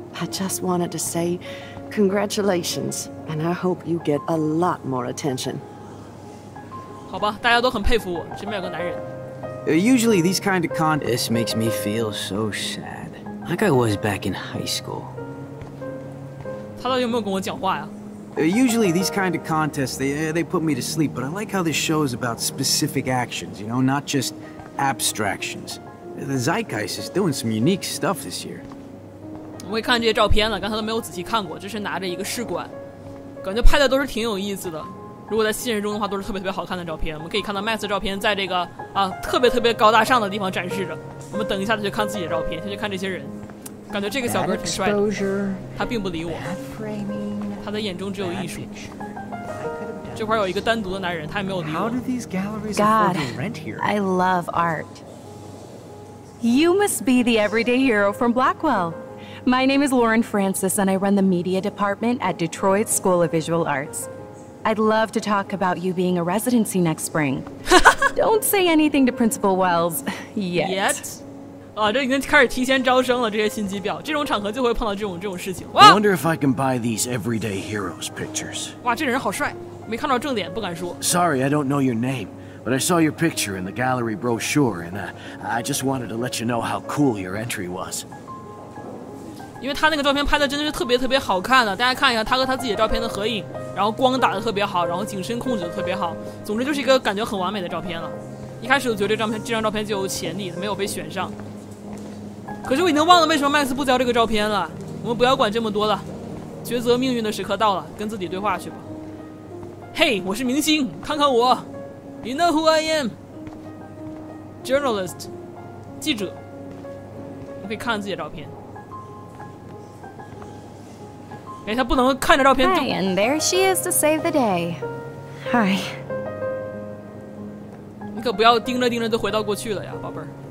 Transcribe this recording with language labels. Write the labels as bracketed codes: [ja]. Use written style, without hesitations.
[en] I just wanted to say congratulations, and I hope you get a lot more attention. [zh] 好吧，大家都很佩服我，身边有个男人。 [en] Usually these kind of con- This makes me feel so sad. Like I was back in high school. [zh] 他到底有没有跟我讲话呀？ [en] Usually these kind of contests, they put me to sleep, but I like how this show is about specific actions, you know, not just abstractions. The Zeitgeist is doing some unique stuff this year. [zh] 我也看这些照片了，刚才都没有仔细看过，这是拿着一个试管，感觉拍的都是挺有意思的。如果在现实中的话，都是特别特别好看的照片。我们可以看到 Max 的照片在这个啊特别特别高大上的地方展示着。我们等一下再去看自己的照片，先去看这些人。感觉这个小哥挺帅的，他并不理我，他的眼中只有艺术。这块有一个单独的男人，他也没有理我。 [en] God, I love art. You must be the everyday hero from Blackwell. My name is Lauren Francis, and I run the media department at Detroit School of Visual Arts. I'd love to talk about you being a residency next spring. Don't say anything to Principal Wells yet. [zh] 啊，这已经开始提前招生了。这些心机婊，这种场合就会碰到这种事情。 [en] I wonder if I can buy these everyday heroes pictures. [zh] 哇，这人好帅，没看到正脸，不敢说。 [en] Sorry, I don't know your name, but I saw your picture in the gallery brochure, and I just wanted to let you know how cool your entry was. [zh] 因为他那个照片拍的真的是特别特别好看了，大家看一下他和他自己的照片的合影。然后光打得特别好，然后景深控制得特别好，总之就是一个感觉很完美的照片了。一开始我觉得这张照片就有潜力，没有被选上。可是我已经忘了为什么 Max 不交这个照片了。我们不要管这么多了，抉择命运的时刻到了，跟自己对话去吧。 Hey, 我是明星，看看我。 [en] You know who I am? [zh] Journalist, 记者。我可以看自己的照片。哎，他不能看着照片。 [en] Hi, and there she is to save the day. Hi. [zh] 你可不要盯着就回到过去了呀，宝贝儿。